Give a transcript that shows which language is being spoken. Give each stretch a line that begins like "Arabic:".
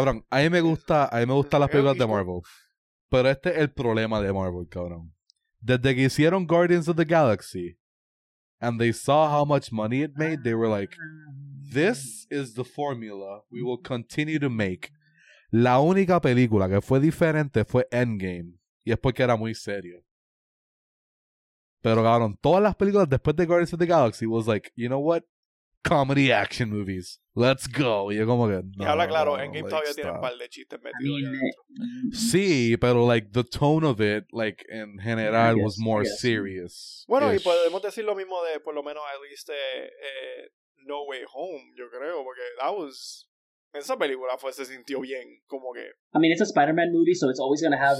Spanish: A mí me gusta las películas de Marvel. Pero este es el problema de Marvel, cabrón. Desde que hicieron
English: Guardians of the Galaxy, and they saw how much money it made, they were like, this is the formula we will continue to make.
Spanish: La única película que fue diferente fue Endgame. Y es porque era muy serio. Pero, cabrón, todas las películas después de Guardians of the Galaxy
English: was like, you know what? Comedy action movies. Let's go.
Spanish: Y yo como que, no. Y habla claro, Endgame todavía tiene un par de chistes metidos.
English: Sí, pero, like, the tone of it, like,
Spanish: en general,
English: yes, was more yes. serious.
Spanish: Bueno, y podemos decir lo mismo de, por lo menos,
English: at least,
Spanish: No Way Home, yo creo, porque
English: that was...
Spanish: Esa película fue, se sintió bien, como que...
English: I mean, it's a Spider-Man movie, so it's always gonna have...